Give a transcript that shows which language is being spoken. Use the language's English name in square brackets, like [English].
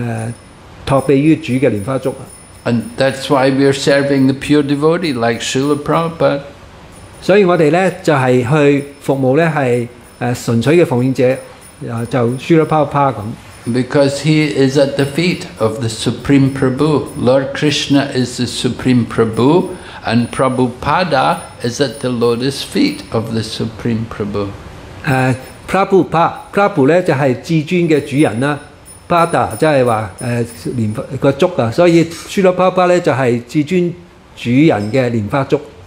[Chinese] 我们只需要很简单地去托庇于主的莲花烛。 [English] And that's why we are serving the pure devotee like Srila Prabhupada. [Chinese] 所以我们就是去服务纯粹的奉献者。 [English] Because he is at the feet of the Supreme Prabhu. Lord Krishna is the Supreme Prabhu, and Prabhupada is at the lotus feet of the Supreme Prabhu. [Chinese] Prabhupada就是至尊的主人，Pada就是莲花烛，所以Srila Prabhupada就是至尊主人的莲花烛。